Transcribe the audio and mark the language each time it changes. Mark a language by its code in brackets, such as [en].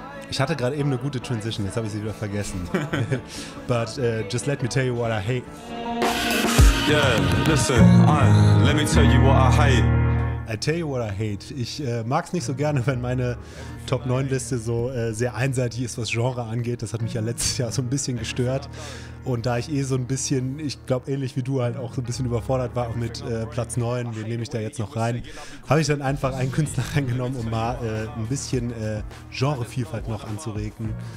[de] Ich hatte gerade eben eine gute Transition, jetzt habe ich sie wieder vergessen. [en] But just let me tell you what I hate. Yeah, listen, let me tell you what I hate. I tell you what I hate. [de] Ich mag es nicht so gerne, wenn meine Top 9 Liste so sehr einseitig ist, was Genre angeht. Das hat mich ja letztes Jahr so ein bisschen gestört. Und da ich eh so ein bisschen, ich glaube ähnlich wie du, halt auch so ein bisschen überfordert war auch mit Platz 9, den nehme ich da jetzt noch rein, habe ich dann einfach einen Künstler reingenommen, um mal ein bisschen Genrevielfalt noch anzuregen.